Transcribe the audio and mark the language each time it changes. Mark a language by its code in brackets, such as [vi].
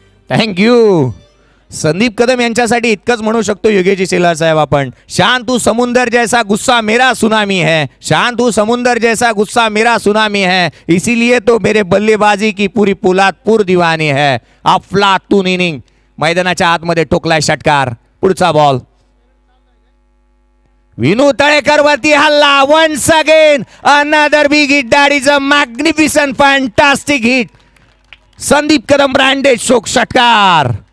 [en] Thank you. [mr] Sandeep Kadam यांच्यासाठी इतकंच म्हणू शकतो योगेजी सेलर साहेब आपण. [hi] शांत तू समुंदर जैसा गुस्सा मेरा सुनामी है, शांत तू समुंदर जैसा गुस्सा मेरा सुनामी है, इसीलिए तो मेरे बल्लेबाजी की पूरी पोलादपूर दीवानी है. [mr] अफलातून इनिंग मैदानाच्या आतमध्ये ठोकलाय षटकार. पुढचा बॉल विनू तळेकर वरती हल्ला, [en] once again another big hit, that is a magnificent fantastic hit, [mr] Sandeep Kadam branded शोक, षटकार.